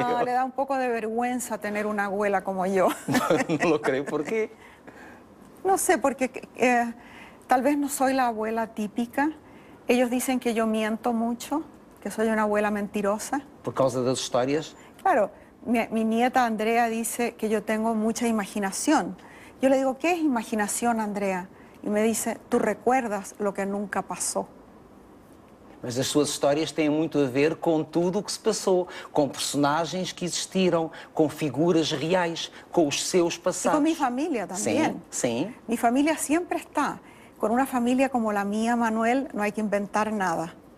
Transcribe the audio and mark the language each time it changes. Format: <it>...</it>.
<pt>Não,</pt> <es>le</es> <pt>dá um pouco de vergonha ter uma</pt> <es>abuela</es> <pt>como eu. Não</pt> <es>lo</es> <pt>creio. Por quê? Não sei, porque talvez não sou a</pt> <es>abuela</es> <pt>típica. Eles dizem que eu</pt> <es>miento</es> <pt>muito, que sou uma</pt> <es>abuela</es> <pt>mentirosa. Por causa das histórias? Claro.</pt> <es>Mi nieta Andrea dice que yo tengo mucha imaginación. Yo le digo, ¿qué es imaginación, Andrea? Y me dice, tú recuerdas lo que nunca pasó.</es> <pt>Mas as suas histórias têm muito a ver com tudo o que se passou, com personagens que existiram, com figuras reais, com os seus passados. E com minha família também. Sim, sim. Minha família sempre está. Com uma família como a minha, Manuel, não há que inventar nada.</pt>